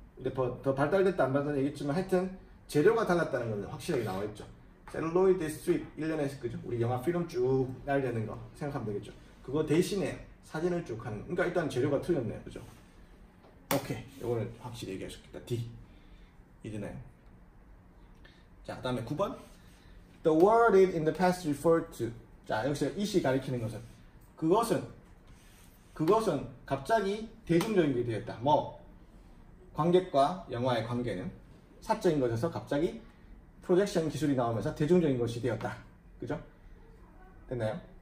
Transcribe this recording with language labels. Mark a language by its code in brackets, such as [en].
[ko] 근데 더 발달됐다 안 발달됐다 얘기했지만 하여튼 재료가 달랐다는 건 확실하게 나와 있죠. 셀룰로이드 스트립 1년에 그죠? 우리 영화 필름 쭉 날리는 거 생각하면 되겠죠. 그거 대신에 사진을 쭉 하는. 그러니까 일단 재료가 틀렸네요. 그죠? 오케이. 이거는 확실히 얘기할 수 있겠다. D. 이드네요. 자, 그다음에 9번. [en] The word it in the past referred to. [ko] 자, 여기서 이시 가리키는 것은 그것은 갑자기 대중적인 게 되었다. 뭐 관객과 영화의 관계는 사적인 것에서 갑자기 프로젝션 기술이 나오면서 대중적인 것이 되었다. 그죠? 됐나요?